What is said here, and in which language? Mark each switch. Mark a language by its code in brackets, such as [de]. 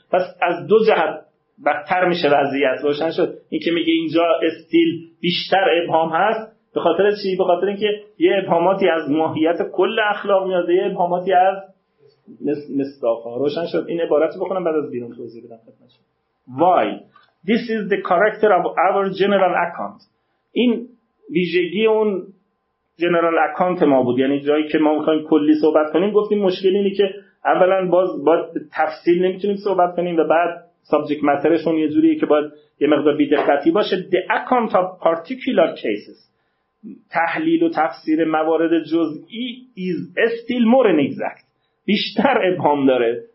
[fa] پس از دو جهت بدتر میشه وضعیت، روشن شد؟ این که میگه اینجا استیل بیشتر ابهام هست به خاطر چی؟ به خاطر اینکه یه ابهاماتی از ماهیت کل اخلاق میاد، یه ابهاماتی از مصداقا. روشن شد؟ این عبارت رو بخونم بعد از بیرون توضیح بدم خدمت شما. [en] Why this is the character of our general account. [fa] این ویژگی اون general account ما بود، یعنی جایی که ما میخواییم کلی صحبت کنیم. گفتیم مشکل اینی که اولا باز باید تفصیل نمیتونیم صحبت کنیم و بعد subject matterشون یه جوریه که باید یه مقدار بی‌دقتی باشه. [en] The account of particular cases، [fa] تحلیل و تفسیر موارد جزئی، [en] is still more inexact، [fa] بیشتر ابهام داره.